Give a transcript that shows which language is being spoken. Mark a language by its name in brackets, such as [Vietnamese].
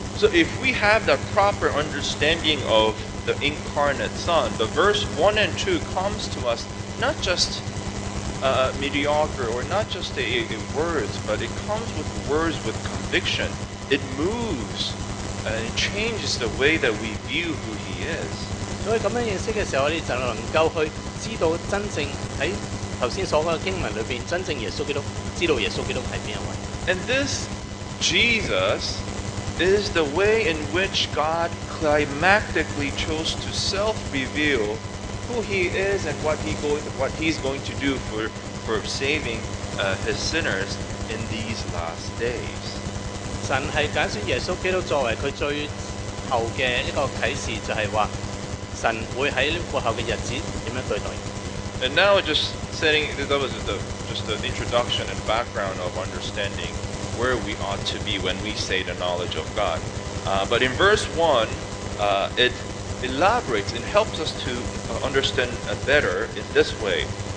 [English] So, if we have the proper understanding of the incarnate Son, the verse 1 and 2 comes to us not justmediocre or not just in words, but it comes with words with conviction. It moves and it changes the way that we view who he is. [Cantonese] 所以咁样认识嘅时候，我哋就能够去知道真正喺头先所讲嘅经文里边，真正耶稣基督知道耶稣基督系边一位。 [English] And this Jesus is the way in which God climactically chose to self-reveal who He is and what He's going to do for saving His sinners in these last days. [Cantonese] 神系拣选耶稣基督作为佢最后嘅一个启示，就系话神会喺过后嘅日子点样对待。 [English] And now just setting, that was just the introduction and background of understanding where we ought to be when we say the knowledge of God. But in verse 1, it elaborates and helps us to understand better in this way.